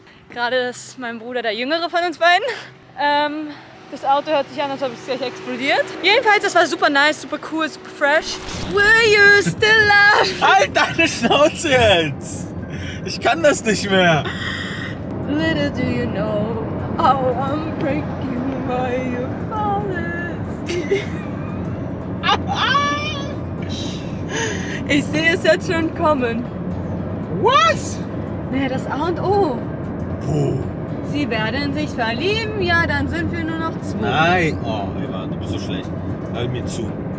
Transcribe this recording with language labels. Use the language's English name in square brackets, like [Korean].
[German] Gerade ist mein Bruder der Jüngere von uns beiden. Das Auto hört sich an, als ob es gleich explodiert. Jedenfalls, das war super nice, super cool, super fresh. [English] Will you still love? [German] Halt deine Schnauze jetzt! Ich kann das nicht mehr. [English] Little do you know how I'm breaking my policy. [German] Ich sehe es jetzt schon kommen. Was? Nee, das A und O. Wo? Sie werden sich verlieben, ja, dann sind wir nur noch 2. Nein, oh, Eva, du bist so schlecht. Hör mir zu.